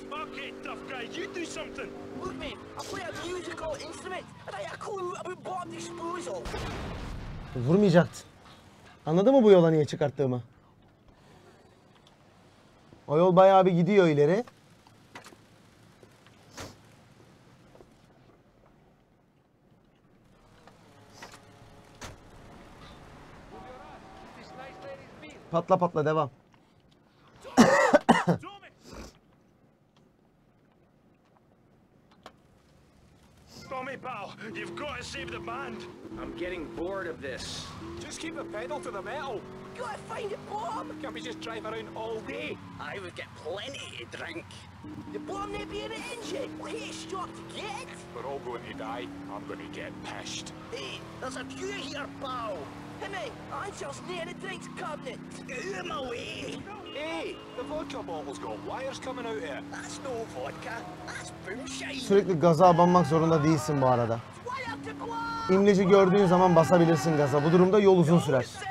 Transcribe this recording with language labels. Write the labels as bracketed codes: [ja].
[en] Okay, tough guy, you do something. Look, man. I play a musical instrument. And I have a clue about bomb disposal. [tr] Vurmayacaktın. Anladın mı bu yola niye çıkarttığımı? O yol bayağı bir gidiyor ileri. Patla patla devam. [en] You've got to save the band. I'm getting bored of this. Just keep the pedal to the metal. Gotta find a bomb. Can't we just drive around all day? I would get plenty to drink. The bomb may be in the engine. We stop to get. We're all going to die. I'm going to get pissed. Hey, there's a queue here, pal. Hey, mate, I'm just near the drinks cabinet. Get him away. No, Hey, the vodka bottle's got wires coming out of it. That's no vodka. That's boomshine. [tr] Sürekli gaza abanmak zorunda değilsin bu arada. İmleci gördüğün zaman basabilirsin gaza. Bu durumda yol uzun sürer.